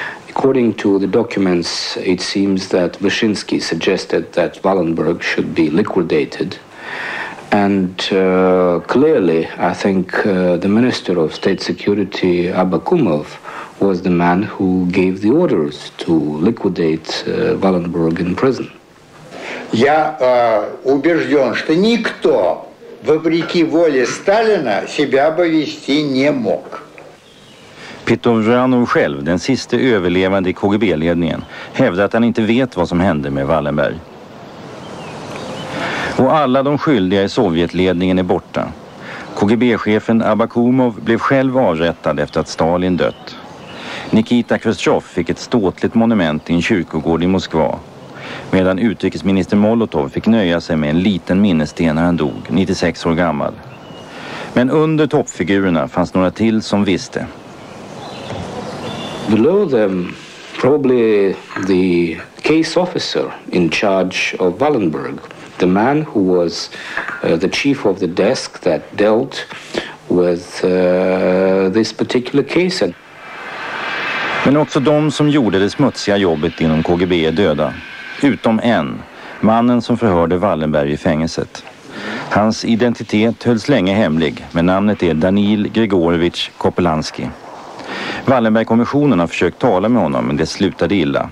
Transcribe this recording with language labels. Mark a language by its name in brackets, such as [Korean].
[English] According to the documents, it seems that Wyszynski suggested that Wallenberg should be liquidated. And clearly, I think the Minister of State Security, Abakumov, was the man who gave the orders to liquidate Wallenberg in prison. [Russian] Я убежден, что никто, вопреки воле Сталина, себя бы вести не мог. [Swedish] Petrovjanov själv, den sista överlevande i KGB-ledningen, hävdar att han inte vet vad som hände med Wallenberg. Och alla de skyldiga i Sovjetledningen är borta. KGB-chefen Abakumov blev själv avrättad efter att Stalin dött. Nikita Khrushchev fick ett ståtligt monument i en kyrkogård i Moskva. Medan utrikesminister Molotov fick nöja sig med en liten minnessten när han dog, 96 år gammal. Men under toppfigurerna fanns några till som visste. [English] Below them, probably the case officer in charge of Wallenberg, the man who was the chief of the desk that dealt with this particular case. [Swedish] Men också de som gjorde det smutsiga jobbet inom KGB är döda. Utom en, mannen som förhörde Wallenberg i fängelset. Hans identitet hölls länge hemlig, men namnet är Daniil Grigorievich Kopelansky. Wallenbergkommissionen har försökt tala med honom, men det slutade illa.